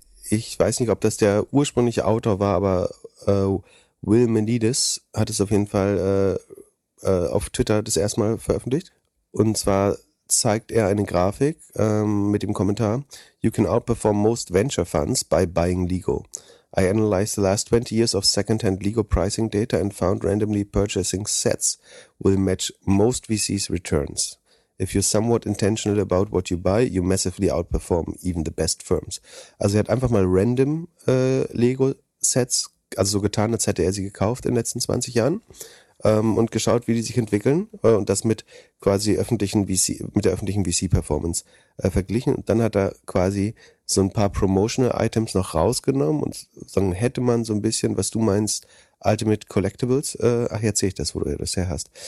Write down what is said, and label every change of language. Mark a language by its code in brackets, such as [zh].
[de] Ich weiß nicht, ob das der ursprüngliche Autor war, aber Will Menides hat es auf jeden Fall auf Twitter das erste Mal veröffentlicht. Und zwar zeigt er eine Grafik mit dem Kommentar: [en] You can outperform most venture funds by buying Lego. I analyzed the last 20 years of second-hand Lego pricing data and found randomly purchasing sets will match most VCs' returns. If you're somewhat intentional about what you buy, you massively outperform even the best firms. [de] Also er hat einfach mal random Lego-Sets, also so getan, als hätte er sie gekauft in den letzten 20 Jahren und geschaut, wie die sich entwickeln und das mit quasi öffentlichen VC, mit der öffentlichen VC-Performance verglichen. Und dann hat er quasi so ein paar Promotional-Items noch rausgenommen und dann hätte man so ein bisschen, was du meinst, Ultimate Collectibles, jetzt sehe ich das, wo du das her hast.